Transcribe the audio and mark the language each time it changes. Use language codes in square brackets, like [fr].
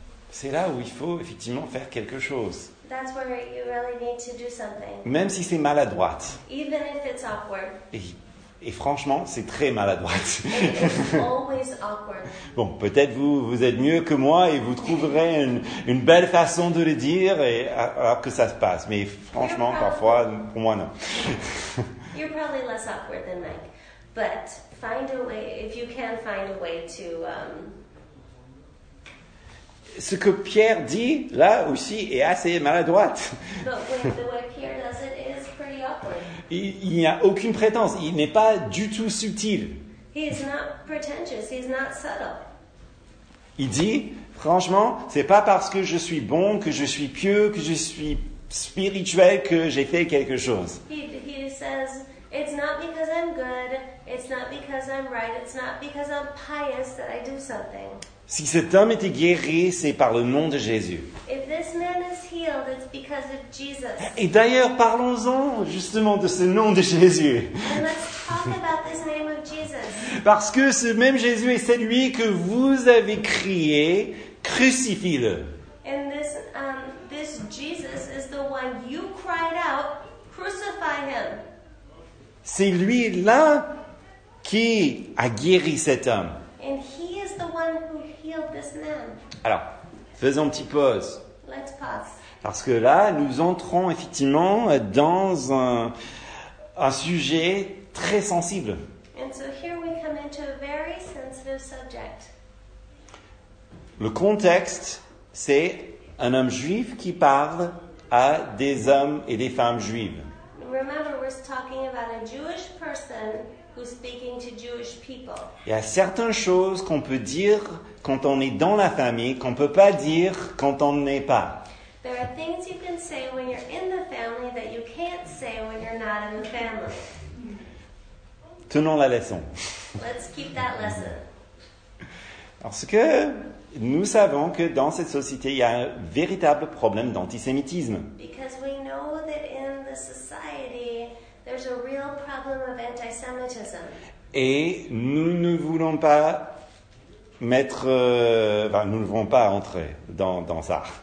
[fr] C'est là où il faut effectivement faire quelque chose. [en] That's where you really need to do something. [fr] Même si c'est maladroit. [en] Even if it's awkward. [fr] Et franchement, c'est très maladroit. [en] It's always awkward. [fr] Bon, peut-être vous êtes mieux que moi et vous trouverez une belle façon de le dire et alors que ça se passe. Mais franchement, parfois, pour moi, non. [en] You're probably less awkward than Mike. But find a way, if you can find a way to... [fr] Ce que Pierre dit, là aussi, est assez maladroit. [en] But the way Pierre does it is pretty awkward. [fr] Il n'y a aucune prétence. Il n'est pas du tout subtil. [en] He is not pretentious. He's not subtle. [fr] Il dit, franchement, c'est pas parce que je suis bon, que je suis pieux, que je suis spirituel, que j'ai fait quelque chose. [en] He says, it's not because I'm good, it's not because I'm right, it's not because I'm pious that I do something. [fr] Si cet homme était guéri, c'est par le nom de Jésus. [en] If this man is healed, it's because of Jesus. [fr] Et d'ailleurs, parlons-en justement de ce nom de Jésus. [en] And let's talk about this name of Jesus. [fr] Parce que ce même Jésus est celui que vous avez crié, crucifie-le. [en] And this Jesus is the one you cried out, crucify him. [fr] C'est lui là qui a guéri cet homme. [en] And he is the one who healed this man. [fr] Alors, faisons une petite pause. [en] Let's pause. [fr] Parce que là, nous entrons effectivement dans un sujet très sensible. [en] And so here we come into a very sensitive subject. [fr] Le contexte, c'est un homme juif qui parle à des hommes et des femmes juives. [en] Remember, we're talking about a Jewish person who's speaking to Jewish people. [fr] Il y a certaines choses qu'on peut dire quand on est dans la famille, qu'on ne peut pas dire quand on n'est pas. [en] There are things you can say when you're in the family that you can't say when you're not in the family. [fr] Tenons la leçon. [en] Let's keep that lesson. [fr] Parce que nous savons que dans cette société, il y a un véritable problème d'antisémitisme. [en] Because we know that in the society, there's a real problem of antisemitism. [fr] Et nous ne voulons pas nous ne voulons pas entrer dans ça.